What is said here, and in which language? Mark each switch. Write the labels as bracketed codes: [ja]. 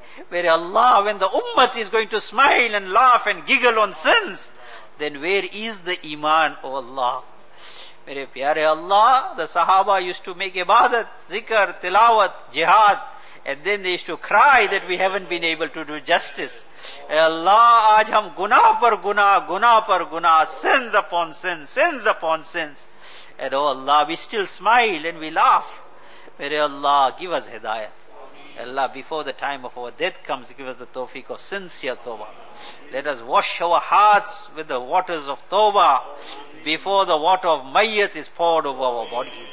[en] Where Allah, when the Ummah is going to smile and laugh and giggle on sins, then where is the Iman, O Allah? [ur] Mere Pyare Allah, [en] the Sahaba used to make Ibadat, Zikr, Tilawat, Jihad, and then they used to cry that we haven't been able to do justice. [ur] Ay Allah, aaj hum gunah par gunah, gunah par gunah, [en] sins upon sins, sins upon sins. And O Allah, we still smile and we laugh. Mere Allah, give us Hidayat. Allah, before the time of our death comes, give us the tawfiq of sincere tawbah. Let us wash our hearts with the waters of tawbah before the water of mayyat is poured over our bodies.